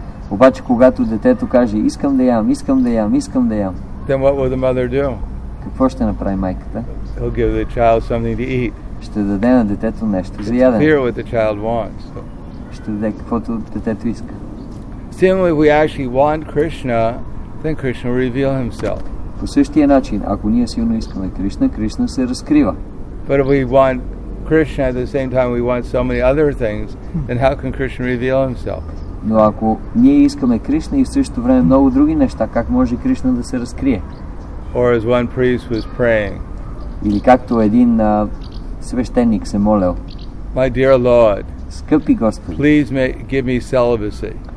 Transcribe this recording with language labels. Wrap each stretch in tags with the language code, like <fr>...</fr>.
<bg>Обаче, когато детето каже, искам да ям, искам да ям, искам да ям.</bg> <en>Then what will the mother do?</en> <bg>Какво ще направи майката?</bg> <en>He'll give the child something to eat.</en> <bg>Ще даде на детето нещо за ядене.</bg> <en>Hear what the child wants.</en> <bg>Ще даде каквото детето иска.</bg> <en>Similarly, if we actually want Krishna, then Krishna will reveal himself.</en> <bg>По същия начин, ако ние силно искаме Кришна, Кришна се разкрива.</bg> <en>But if we want Krishna at the same time we want so many other things, then how can Krishna reveal himself?</en> <bg>Но ако ние искаме Кришна и в същото време много други неща, как може Кришна да се разкрие?</bg> <en>Or as one priest was praying.</en> <bg>Или както един свещеник се молел.</bg> <en>My dear Lord.</en> <bg>Скъпи Господи.</bg> <en>Please give me celibacy.</en>